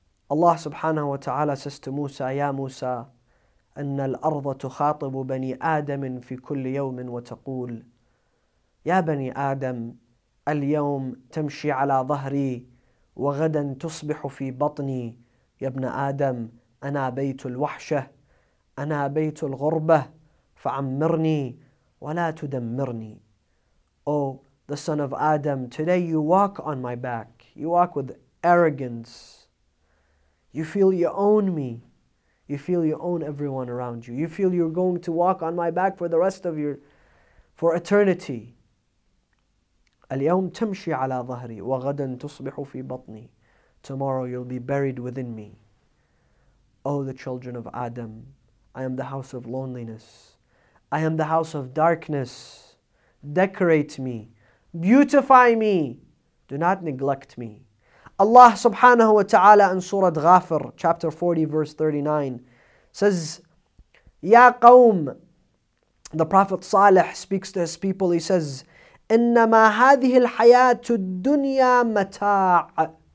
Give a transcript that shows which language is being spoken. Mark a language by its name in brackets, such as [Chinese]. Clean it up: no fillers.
[English] Allah subhanahu wa ta'ala says to Musa, Ya Musa, [Arabic] أن الأرض تخاطب بني آدم في كل يوم وتقول يا بني آدم اليوم تمشي على ظهري وغدا تصبح في بطني يا ابن آدم أنا بيت الوحشة أنا بيت الغربة فعمرني ولا تدمرني. [English] Oh, the son of Adam, today you walk on my back. You walk with arrogance. You feel you own me. You feel you own everyone around you. You feel you're going to walk on my back for the rest of your, for eternity. اليوم تمشي على ظهري وغدا تصبح في بطني. Tomorrow you'll be buried within me. Oh, the children of Adam, I am the house of loneliness. I am the house of darkness. Decorate me. Beautify me. Do not neglect me. Allah subhanahu wa ta'ala in Surah Ghafir, chapter 40, verse 39, says, [Arabic] Ya Qawm, [English] the Prophet Salih speaks to his people, he says, [Arabic] Innama hadhihi al-hayatu dunya mata'a.